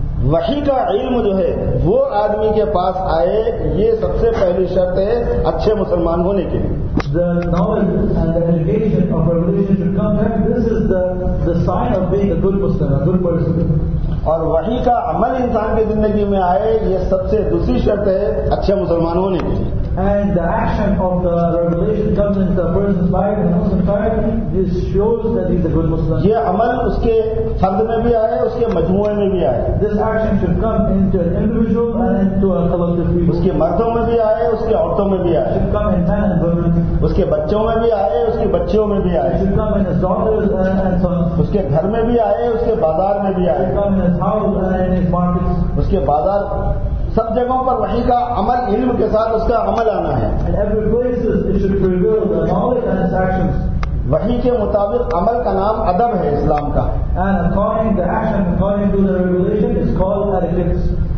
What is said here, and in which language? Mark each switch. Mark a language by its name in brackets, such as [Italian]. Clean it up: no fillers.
[Urdu] وحی کا علم جو ہے وہ آدمی کے پاس آئے, یہ سب سے پہلی شرط ہے اچھے مسلمان ہونے کے. [English] The knowledge and the education of revelation should come back. This is the sign of being a good Muslim, a good person. [Urdu] اور وحی کا عمل انسان کی زندگی میں آئے, یہ سب سے دوسری شرط ہے اچھے مسلمان ہونے کی. [English] And the action of the revelation comes into a person's life and Muslim's life. This shows that he's a good Muslim. [Urdu] یہ عمل اس کے فرد میں بھی آئے, اس کے مجموعے میں بھی آئے. [English] This action should come into an individual and into a collective people. [Urdu] اس کے مردوں میں بھی آئے, اس کے عورتوں میں بھی آئے. [English] It should come in men and women. [Urdu] اس کے بچوں میں بھی آئے, اس کے بچیوں میں بھی آئے. [English] It should come in his daughters and sons. [Urdu] اس کے گھر میں بھی آئے, اس کے بازار میں بھی آئے. [English] It should come in his house and in his markets. [Urdu] اس کے بازار سب جگہوں پر وحی کا عمل علم کے ساتھ اس کا عمل آنا ہے. وحی کے مطابق عمل کا نام ادب ہے اسلام کا. [English] And according to action, according to the revelation, is called etiquette.